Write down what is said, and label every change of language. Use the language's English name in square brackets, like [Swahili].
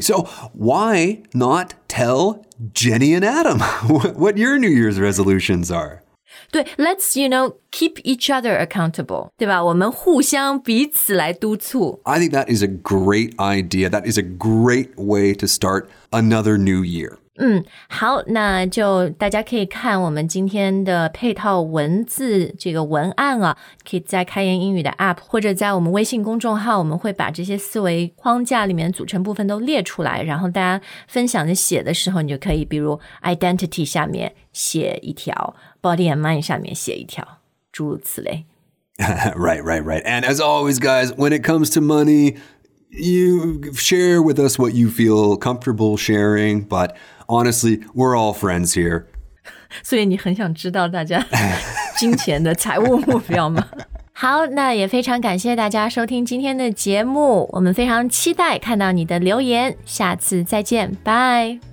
[English] So why not tell Jenny and Adam what your New Year's resolutions are? [Chinese] 对 ， [English] let's you know keep each other accountable, [Chinese] 对吧？我们互相彼此来督促。 [English] I think that is a great idea. That is a great way to start another New Year. [Chinese] 好，那就大家可以看我们今天的配套文字这个文案啊，可以在开言英语的 app 或者在我们微信公众号，我们会把这些思维框架里面组成部分都列出来，然后大家分享着写的时候，你就可以比如 identity 下面写一条， body and mind 下面写一条，诸如此类。 [English] Right, right, right. And as always, guys, when it comes to money, you share with us what you feel comfortable sharing, butHonestly, we're all friends here. [Chinese] 所以你很想知道大家金钱的财务目标吗？好，那也非常感谢大家收听今天的节目。我们非常期待看到你的留言。下次再见，拜。